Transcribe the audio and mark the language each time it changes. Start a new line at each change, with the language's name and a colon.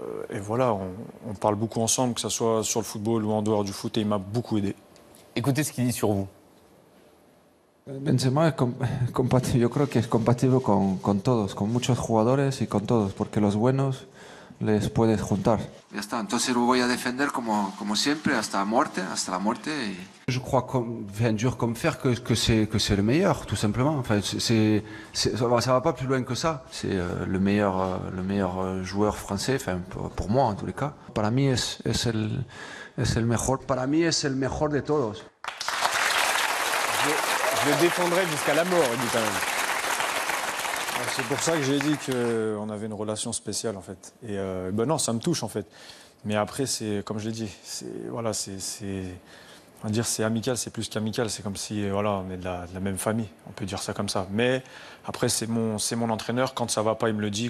French: Et voilà, on parle beaucoup ensemble, que ce soit sur le football ou en dehors du foot, et il m'a beaucoup aidé. Écoutez ce qu'il dit sur vous.
Spanish: Benzema es compatible, yo creo que es compatible con todos, con muchos jugadores y con todos, porque los buenos les puedes juntar. Ya está, entonces lo voy a defender como siempre, hasta la muerte. Y...
French: Je crois bien dur comme fer que c'est le meilleur, tout simplement. Enfin, ça va pas plus loin que ça. C'est le meilleur joueur français, enfin, pour moi en tous les cas.
Spanish: Para mí es el mejor de todos.
French: Je le défendrai jusqu'à la mort, il dit quand même. C'est pour ça que j'ai dit qu'on avait une relation spéciale, en fait. Et ben non, ça me touche, en fait. Mais après, c'est comme je l'ai dit, c'est amical, c'est plus qu'amical. C'est comme si voilà, on est de la même famille, on peut dire ça comme ça. Mais après, c'est mon entraîneur. Quand ça ne va pas, il me le dit.